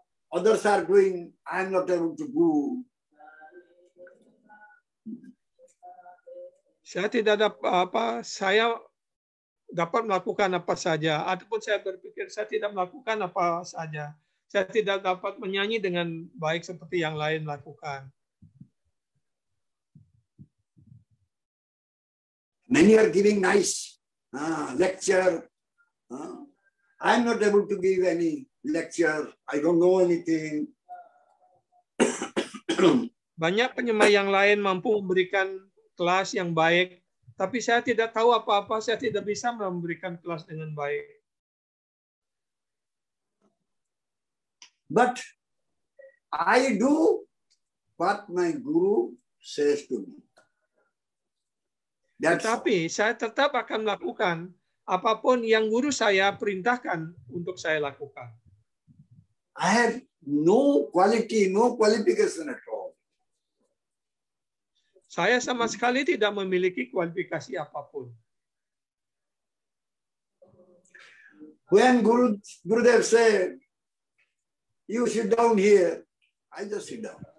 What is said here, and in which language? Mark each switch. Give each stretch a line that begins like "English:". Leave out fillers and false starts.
English: others are doing, I am not able to do.
Indonesian: Saya tidak dapat apa, saya dapat melakukan apa saja, ataupun saya berpikir saya tidak melakukan apa saja. Saya tidak dapat menyanyi dengan baik seperti yang lain lakukan.
English: Many are giving nice lecture. I'm not able to give any lecture. I don't know anything.
Indonesian: Banyak penyembah yang lain mampu memberikan kelas yang baik, tapi saya tidak tahu apa-apa, saya tidak bisa memberikan kelas dengan baik.
English: But I do what my guru says to me.
Indonesian: Tetapi saya tetap akan melakukan apapun yang guru saya perintahkan untuk saya lakukan.
English: I have no quality, no qualification at all.
Indonesian: Saya sama sekali tidak memiliki kualifikasi apapun.
English: When Gurudev said, "You sit down here," I just sit down.